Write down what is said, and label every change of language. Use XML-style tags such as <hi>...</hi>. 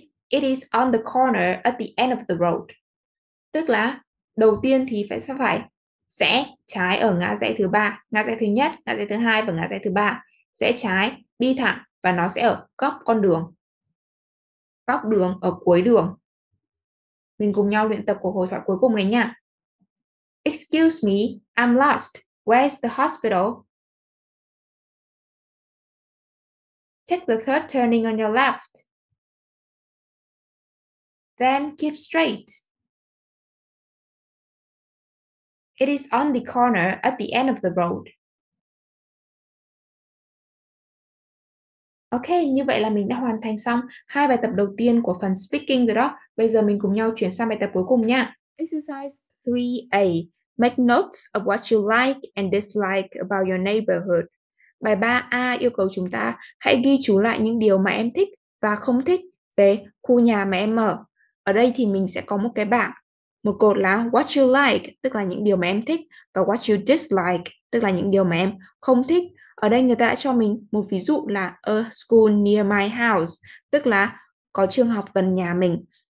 <en>It is on the corner at the end of the road.</en> <vi>Tức là đầu tiên thì phải rẽ trái ở ngã rẽ thứ ba, ngã rẽ thứ nhất, ngã rẽ thứ hai và ngã rẽ thứ ba. Rẽ trái, đi thẳng và nó sẽ ở góc con đường. Góc đường ở cuối đường. Mình cùng nhau luyện tập của hội thoại cuối cùng này nha.</vi> <en>Excuse me, I'm lost. Where is the hospital? Take the third turning on your left. Then keep straight. It is on the corner at the end of the road.</en> <vi>Ok, như vậy là mình đã hoàn thành xong hai bài tập đầu tiên của phần speaking rồi đó. Bây giờ mình cùng nhau chuyển sang bài tập cuối cùng nha.</vi> <en>Exercise 3A. Make notes of what you like and dislike about your neighborhood.</en> <vi>Bài 3A yêu cầu chúng ta hãy ghi chú lại những điều mà em thích và không thích về khu nhà mà em ở. Ở đây thì mình sẽ có một cái bảng. Một cột là</vi> <en>what you like,</en> <vi>tức là những điều mà em thích, và</vi> <en>what you dislike,</en> <vi>tức là những điều mà em không thích. Ở đây người ta đã cho mình một ví dụ là</vi> <en>a school near my house,</en> <vi>tức là có trường học gần nhà mình.</vi>